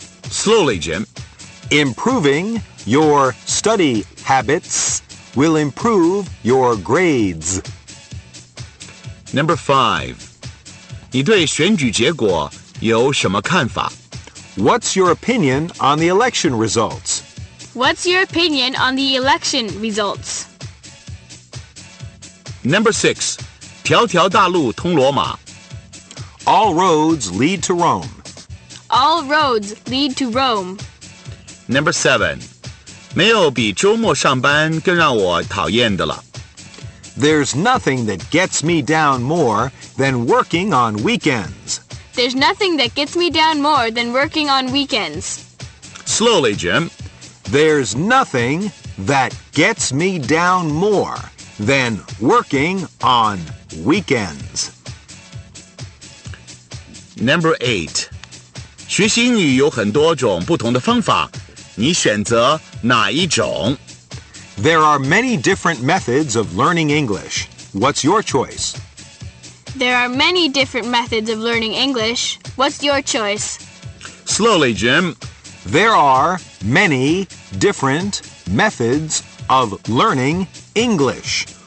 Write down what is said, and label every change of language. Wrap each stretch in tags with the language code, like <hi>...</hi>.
<en>Slowly, Jim. Improving your study habits will improve your grades. Number five.</en> <zh>你对选举结果有什么看法?</zh> <en>What's your opinion on the election results? What's your opinion on the election results? Number six.</en> <zh>条条大路通罗马。</zh> <en>All roads lead to Rome. All roads lead to Rome. Number seven.</en> <zh>没有比周末上班更让我讨厌的了。</zh> <en>There's nothing that gets me down more than working on weekends. There's nothing that gets me down more than working on weekends. Slowly, Jim. There's nothing that gets me down more than working on weekends. Number eight.</en> <zh>学习英语有很多种不同的方法，你选择哪一种？</zh> <en>There are many different methods of learning English. What's your choice? There are many different methods of learning English. What's your choice? Slowly, Jim. There are many different methods of learning English.</en>